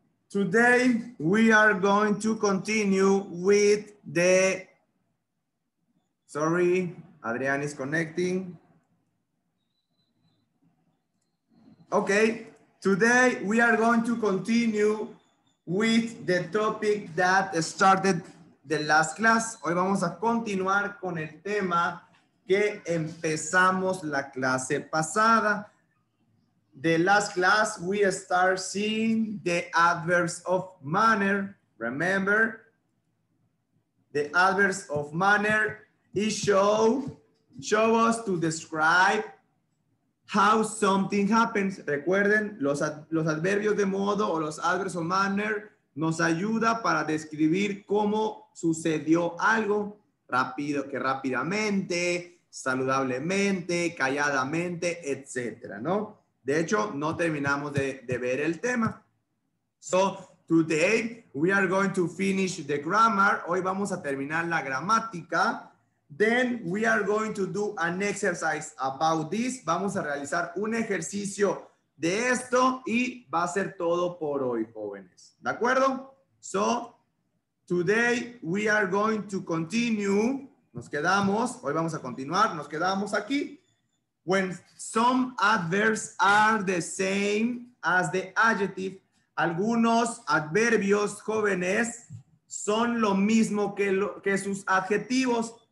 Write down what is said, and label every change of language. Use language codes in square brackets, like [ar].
[en] Today we are going to continue with the, sorry, Adrián is connecting. Okay, today we are going to continue with the topic that started the last class. [es] Hoy vamos a continuar con el tema que empezamos la clase pasada. [en] The last class, we start seeing the adverbs of manner. Remember, the adverbs of manner is show us to describe how something happens. [es] Recuerden, los adverbios de modo o los adverbs of manner nos ayuda para describir cómo sucedió algo. Rápido, que rápidamente, saludablemente, calladamente, etcétera, ¿no? De hecho, no terminamos de ver el tema. [en] So, today we are going to finish the grammar. [es] Hoy vamos a terminar la gramática. [en] Then we are going to do an exercise about this. [es] Vamos a realizar un ejercicio de esto y va a ser todo por hoy, jóvenes. ¿De acuerdo? [en] So, today we are going to continue. [es] Nos quedamos. Hoy vamos a continuar. Nos quedamos aquí. [en] When some adverbs are the same as the adjective, [es] algunos adverbios, jóvenes, son lo mismo que sus adjetivos.